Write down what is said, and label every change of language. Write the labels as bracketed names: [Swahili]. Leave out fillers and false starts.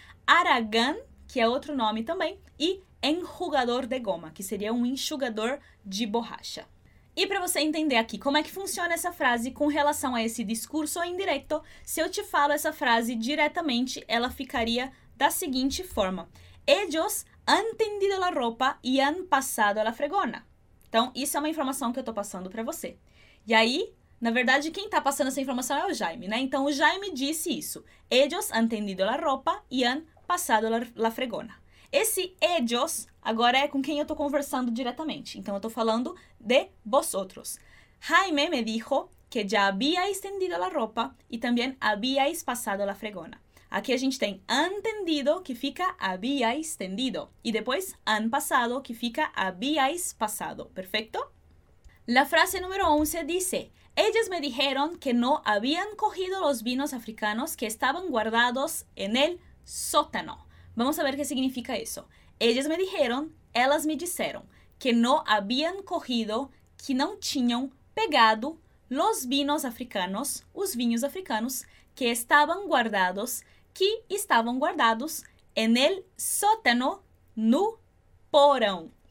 [Portuguese] Aragán, que é outro nome também. E enjugador de goma, que seria um enxugador de borracha. E para você entender aqui como é que funciona essa frase com relação a esse discurso indirecto, se eu te falo essa frase diretamente, ela ficaria da seguinte forma. [Spanish] Ellos han tendido la ropa y han pasado a la fregona. [Portuguese] Então, isso é uma informação que eu estou passando para você. E aí, na verdade, quem está passando essa informação é o Jaime, né? Então, o Jaime disse isso. [Spanish] Ellos han tendido la ropa y han pasado la fregona. [Portuguese] Esse ellos agora é com quem eu estou conversando diretamente. Então, eu estou falando de vosotros. [Spanish] Jaime me dijo que ya habíais tendido la ropa y también habíais pasado la fregona. [Portuguese] Aqui a gente tem han tendido, que fica habíais tendido. E depois han pasado, que fica habíais pasado. Perfeito? [Spanish] La frase número 11 dice: ellos me dijeron que no habían cogido los vinos africanos que estaban guardados en el sótano. Vamos a ver [Portuguese] o que significa isso. [Spanish] Ellos me dijeron, [Portuguese] elas me disseram, [Spanish] que no habían cogido, [Portuguese] que não tinham pegado, [Spanish] los vinos africanos, [Portuguese] os vinhos africanos, [Spanish] que estaban guardados, [Portuguese] que estavam guardados, [Spanish] en el sótano, [Portuguese] no porão.